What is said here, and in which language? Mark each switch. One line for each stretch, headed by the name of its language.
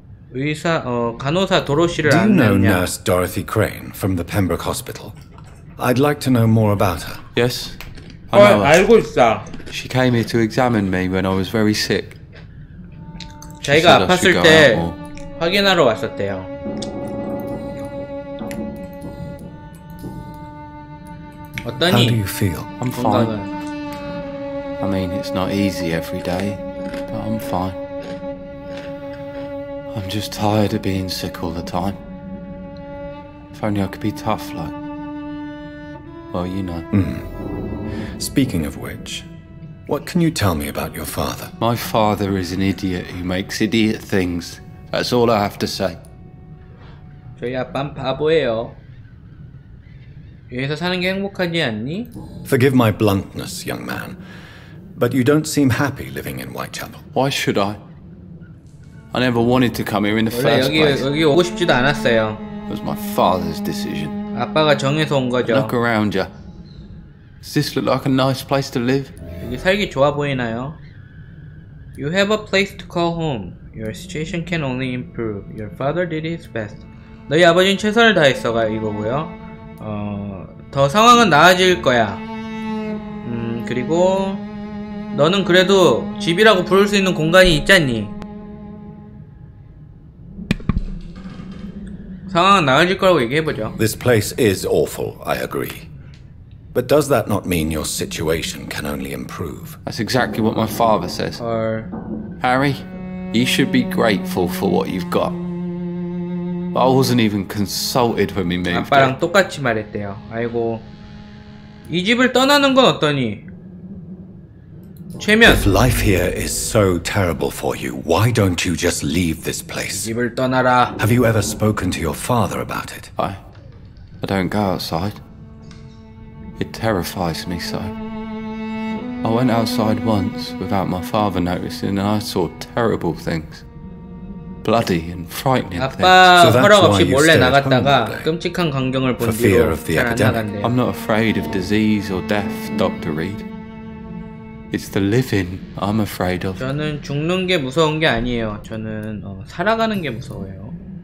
Korean: 의사 간호사 도로시를 아느냐?
English: Do you know Nurse Dorothy Crane from the Pembroke Hospital? I'd like to know more about her. Yes. I know.
Korean: 알고 있어.
English: She came here to examine me when I was very sick.
Korean: 자기가 아팠을 때 확인하러 왔었대요. 어떠니?
English: How do you feel? I'm fine. I mean, it's not easy every day, but I'm fine. I'm just tired of being sick all the time. If only I could be tough, like... Well, you know. Mm. Speaking of which, what can you tell me about your father? My father is an idiot who makes idiot things. That's all I have to say.
Korean: 저희 아빠는 바보예요. 여기서 사는 게 행복하지 않니?
English: Forgive my bluntness, young man. But you don't seem happy living in Whitechapel. Why should I? I never wanted to come here in the first place.
Korean: 여기 오고 싶지도 않았어요.
English: It was my father's decision.
Korean: 아빠가 정해서 온 거죠.
English: Look around you. Does this look like a nice place to live?
Korean: 여기 살기 좋아 보이나요?
English: You have a place to call home. Your situation can only improve. Your father did his best.
Korean: 너희 아버지는 최선을 다했어가 이거고요. 더 상황은 나아질 거야. 그리고 너는 그래도 집이라고 부를 수 있는 공간이 있잖니. 상황은 나아질 거라고 얘기해보죠.
English: This place is awful, I agree. But does that not mean your situation can only improve? That's exactly what my father says. Harry, you should be grateful for what you've got. But I wasn't even consulted when we moved.
Korean: 아빠랑 똑같이 말했대요. 아이고, 이 집을 떠나는 건 어떠니? 최면.
English: If life here is so terrible for you, why don't you just leave this place?
Korean: 집을 떠나라.
English: Have you ever spoken to your father about it? I don't go outside. It terrifies me so. I went outside once without my father noticing, and I saw terrible things. Bloody and frightening things.
Korean: 아빠 허락 없이 몰래 나갔다가 끔찍한 광경을 본 뒤로 잘 안 나갔네요.
English: I'm not afraid of disease or death, Dr. Reed. It's the living I'm afraid of.
Korean: 저는 죽는 게 무서운 게 아니에요. 저는 살아가는 게 무서워요.